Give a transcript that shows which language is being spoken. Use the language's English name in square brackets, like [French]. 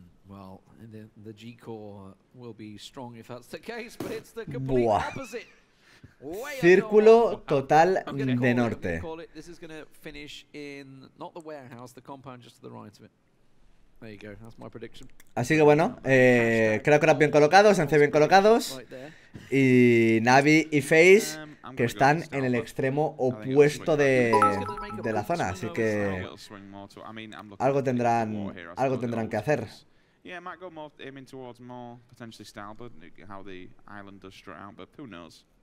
[English] Well, the G-Core will be strong if that's the case, but it's the complete opposite. [Spanish] Círculo total de norte. [English] This is going to finish in not the warehouse, the compound just to the right of it. There you go. That's my prediction. [Spanish] Así que bueno, creo que eran bien colocados, Ence bien colocados. Y Navi y FaZe, que están en el extremo opuesto de la zona. Así que algo tendrán que hacer. [English] Yeah, it might go more aiming towards more potentially style, but how the island does strut out, but who knows?